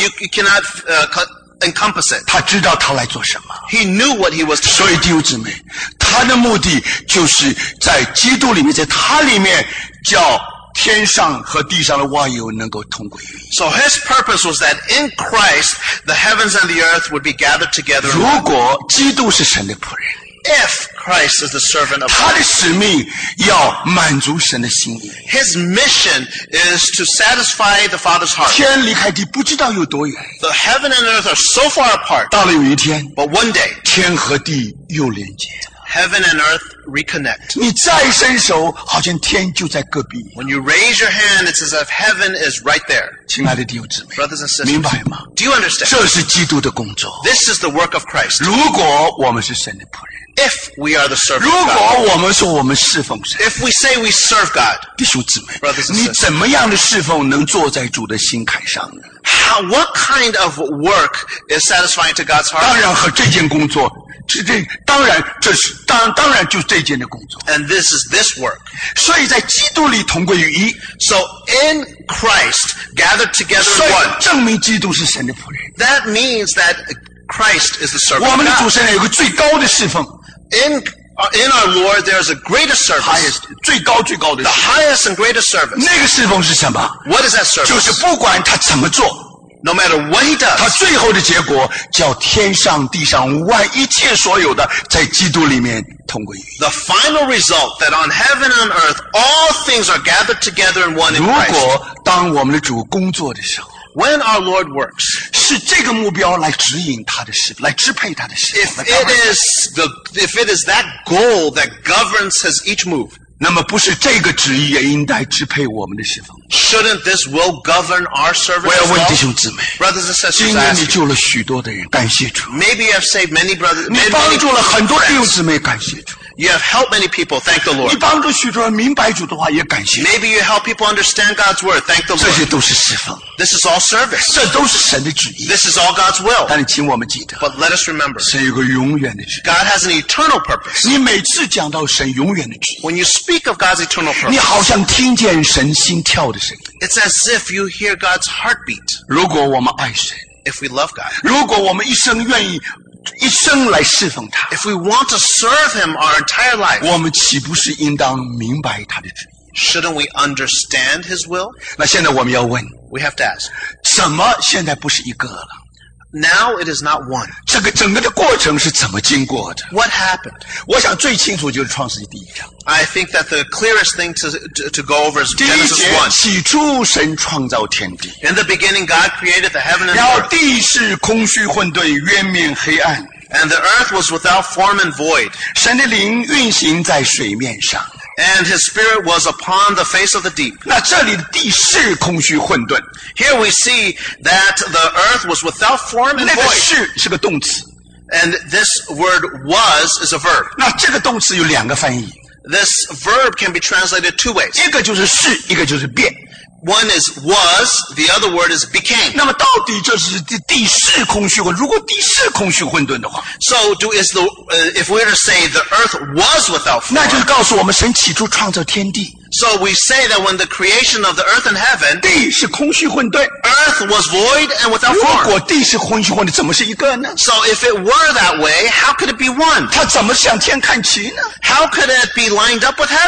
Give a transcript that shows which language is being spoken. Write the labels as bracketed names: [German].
[English] You cannot encompass it. [Chinese] 他知道他来做什么。 [English] He knew what he was doing. [Chinese] 所以弟兄姊妹，他的目的就是在基督里面，在他里面叫。天上和地上的万有能够同归于一。 [English] So his purpose was that in Christ, the heavens and the earth would be gathered together. [Chinese] 如果基督是神的仆人。 [English] If Christ is the servant of God. [Chinese] 他的使命要满足神的心意。 [English] His mission is to satisfy the Father's heart. [Chinese] 天离开地不知道有多远。 [English] The heaven and earth are so far apart. [Chinese] 到了有一天。 [English] But one day. [Chinese] 天和地又连接。 [English] Heaven and earth reconnect. [Chinese] 你再伸手，好像天就在隔壁。 [English] When you raise your hand, it's as if heaven is right there. [Chinese] 亲爱的弟兄姊妹， [English] brothers and sisters, [Chinese] 明白吗？ [English] Do you understand? [Chinese] 这是基督的工作。 [English] This is the work of Christ. [Chinese] 如果我们是神的仆人， [English] if we are the servant of God, [Chinese] 如果我们说我们侍奉神， [English] if we say we serve God, [Chinese] 弟兄姊妹， [English] brothers and sisters, [Chinese] 你怎么样的侍奉能坐在主的心坎上呢？ [English] How, what kind of work is satisfying to God's heart? [Chinese] 当然和这件工作。当然这是 当然就这件的工作。 [English] And this is this work. [Chinese] 所以在基督里同归于一。 [English] So in Christ, gathered together in one. [Chinese] 证明基督是神的仆人。 [English] That means that Christ is the servant. [Chinese] 我们的主身上有个最高的侍奉。 [English] In our Lord, there is a greatest service. Highest, [Chinese] 最高最高的侍奉。 [English] The highest and greatest service. [Chinese] 那个侍奉是什么? [English] What is that service? [Chinese] 就是不管他怎么做。 [English] No matter what he does, [Chinese] 他最后的结果叫天上地上万一切所有的在基督里面同归于一。 [English] The final result that on heaven and earth all things are gathered together in one in Christ. [Chinese] 如果当我们的主工作的时候， [English] when our Lord works, [Chinese] 是这个目标来指引他的事，来支配他的事。 [English] If it is that goal that governs his each move. [Chinese] 那么不是这个旨意也应该支配我们的侍奉。 [English] Shouldn't this will govern our service? [Chinese] 我要问弟兄姊妹。 [English] Brothers and sisters, [Chinese] 今天你救了许多的人，感谢主。 [English] Maybe you have saved many brothers. [Chinese] 你帮助了很多弟兄姊妹，感谢主。 [English] You have helped many people. Thank the Lord. [Chinese] 你帮助许多人明白主的话，也感谢主。 [English] Maybe you help people understand God's word. Thank the Lord. [Chinese] 这些都是侍奉。 [English] This is all service. [Chinese] 这都是神的旨意。 [English] This is all God's will. [Chinese] 但请我们记得。 [English] But let us remember. [Chinese] 神有个永远的旨意。 [English] God has an eternal purpose. [Chinese] 你每次讲到神永远的旨意。 [English] When you speak of God's eternal purpose. [Chinese] 你好像听见神心跳的声音。 [English] It's as if you hear God's heartbeat. [Chinese] 如果我们爱神。 [English] If we love God. [Chinese] 如果我们一生愿意一生来侍奉他。 [English] If we want to serve him our entire life. [Chinese] 我们岂不是应当明白他的旨意。 [English] Shouldn't we understand his will? [Chinese] 那现在我们要问。 [English] We have to ask. [Chinese] 怎么现在不是一个了? [English] Now it is not one. [Chinese] 这个整个的过程是怎么经过的? [English] What happened? [Chinese] 我想最清楚就是创世纪第一章。 [English] I think that the clearest thing to go over is Genesis 1. [Chinese] 起初神创造天地。 [English] In the beginning, God created the heaven and the earth. [Chinese] 然后地是空虚混沌，渊面黑暗。 [English] And the earth was without form and void. [Chinese] 神的灵运行在水面上。 [English] And his spirit was upon the face of the deep. [Chinese] 那这里的地是空虚混沌。 [English] Here we see that the earth was without form and void. [Chinese] 那个是是个动词。 [English] And this word was is a verb. [Chinese] 那这个动词有两个翻译。 [English] This verb can be translated two ways. [Chinese] 一个就是是，一个就是变。 [English] One is was, the other word is became. [Chinese] 那么到底这是地是空虚混？如果地是空虚混沌的话 [English] ，So do is the if we were to say the earth was without form. [Chinese] 那就是告诉我们神起初创造天地。 [English] So we say that when the creation of the earth and heaven, [Chinese] 地是空虚混沌。 [English] Earth was void and without form. [Chinese] 如果地是空虚混沌，怎么是一个呢 [English] ？So if it were that way, how could it be one? [Chinese] 它怎么向天看齐呢 [English] ？How could it be lined up with heaven?